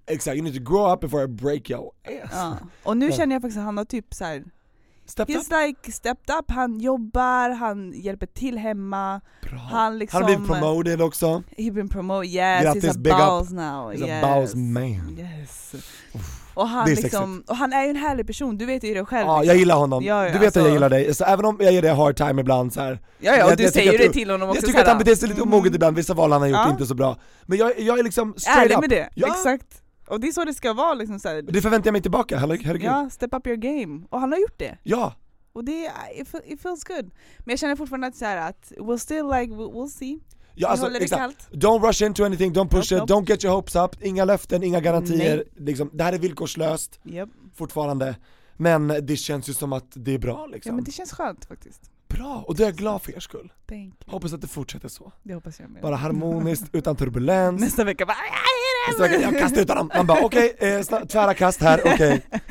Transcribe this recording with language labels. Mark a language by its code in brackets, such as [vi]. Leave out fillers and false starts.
[sv] Exakt, [en] you need to grow up before I break your ass. [sv] Och nu känner jag faktiskt att han har typ så här, [en] stepped up. Like stepped up, [sv] han jobbar, han hjälper till hemma. Bra. Han liksom, har blivit promoted också. [en] He's been promoted, yes. [sv] Grattis, [en] he's a balls now. He's yes. A balls man. Yes. [sv] Och han, liksom, och han är ju en härlig person, du vet ju det själv. Ja, jag gillar honom. Du vet att jag gillar dig. Så även om jag ger dig [en] hard time [sv] ibland så här. Ja, och du säger det till honom också. Jag tycker att han beter sig lite omoget ibland, vissa val han har gjort inte så bra. Men jag är liksom [en] straight up [sv] med det, exakt. Och det är så det ska vara liksom, så här. Det förväntar jag mig tillbaka, herregud. Ja, [en] step up your game. [sv] Och han har gjort det. Ja. Och det är, [en] it feels good. [sv] Men jag känner fortfarande att, så här, att [en] we'll still like, we'll see. [sv] Ja, alltså, exakt. [en] Don't rush into anything, don't push it, don't get your hopes up. [sv] Inga löften, inga garantier. Liksom, det här är villkorslöst fortfarande. Men det känns ju som att det är bra. Liksom. Ja, men det känns skönt faktiskt. bra, och det är jag glad för er skull. Hoppas att det fortsätter så. Det hoppas jag med. Bara harmoniskt, utan turbulens. Nästa vecka bara, nästa vecka, jag kastar ut honom. Man bara, okej, tvära kast här, okej.